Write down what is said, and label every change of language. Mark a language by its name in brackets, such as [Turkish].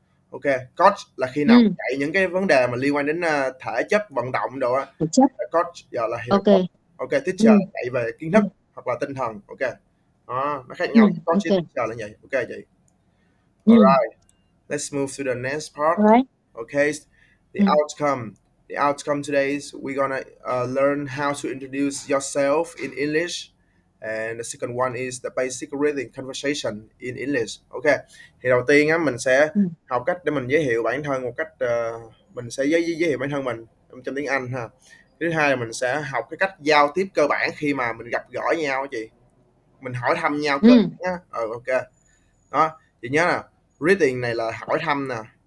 [Vietnamese] Ok, coach là khi nào dạy những cái vấn đề mà liên quan đến thể chất vận động đồ á, Chất. coach giờ là hiểu Ok. coach. Ok, teacher dạy về kiến thức hoặc là tinh thần. Ok, nó khác nhau. Coach với teacher là vậy. [English] Ok vậy. Alright, let's move to the next part. Ok, the outcome today is we're gonna learn how to introduce yourself in English. And the second one is the basic reading conversation in English. [Vietnamese] Ok, thì đầu tiên á mình sẽ học cách để mình giới thiệu bản thân một cách mình sẽ giới thiệu bản thân mình trong tiếng Anh ha. Thứ hai là mình sẽ học cái cách giao tiếp cơ bản khi mà mình gặp gỡ nhau chị. Mình hỏi thăm nhau cơ bản á. Ok. Đó, chị nhớ nè, greeting này là hỏi thăm nè.